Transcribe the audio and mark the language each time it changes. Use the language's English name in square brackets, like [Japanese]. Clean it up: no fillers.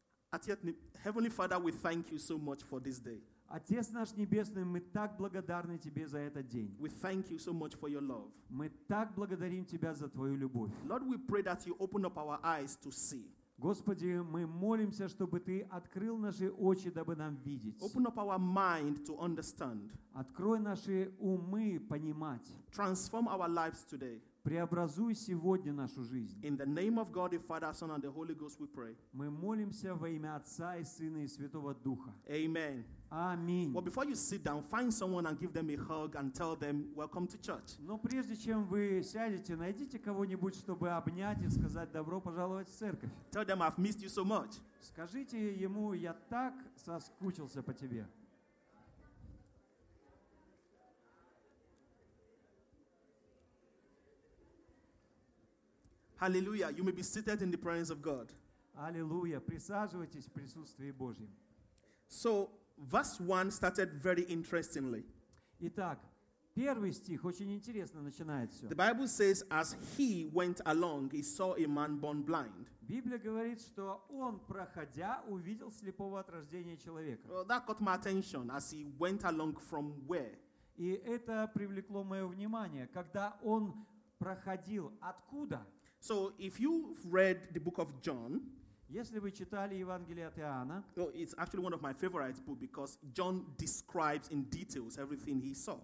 [English] Heavenly Father, we thank you so much for this day. [Russian] Отец наш Небесный, мы так благодарны Тебе за этот день. [English] We thank you so much for your love. [Russian] Мы так благодарим Тебя за Твою любовь. [English] Lord, we pray that you open up our eyes to see. [Russian] Господи, мы молимся, чтобы Ты открыл наши очи, дабы нам видеть. [English] Open up our mind to understand. [Russian] Открой наши умы понимать. [English] Transform our lives today. [Russian] Преобразуй сегодня нашу жизнь. [English] In the name of God, the Father, Son, and the Holy Ghost, we pray. [Russian] Мы молимся во имя Отца и Сына и Святого Духа. [English] Amen. [Russian] Аминь. [English] Well, before you sit down, find someone and give them a hug and tell them, welcome to church. [Russian] Но прежде чем вы сядете, найдите кого-нибудь, чтобы обнять и сказать, добро пожаловать в церковь. [English] Tell them, I've missed you so much. [Russian] Скажите ему, я так соскучился по тебе. [English] Hallelujah. You may be seated in the presence of God. [Russian] Аллилуйя. Присаживайтесь в присутствии Божьем. [English] So, verse 1 started very interestingly. [Russian] Итак, первый стих очень интересно начинает все. [English] The Bible says, as he went along, he saw a man born blind. [Russian] Библия говорит, что он, проходя, увидел слепого от рождения человека. [English] Well, that caught my attention as he went along from where? [Russian] И это привлекло мое внимание, когда он проходил откуда? [English] So if you've read the book of John, [Russian] если вы читали Евангелие от Иоанна, [English] well, it's actually one of my favorite books because John describes in details everything he saw.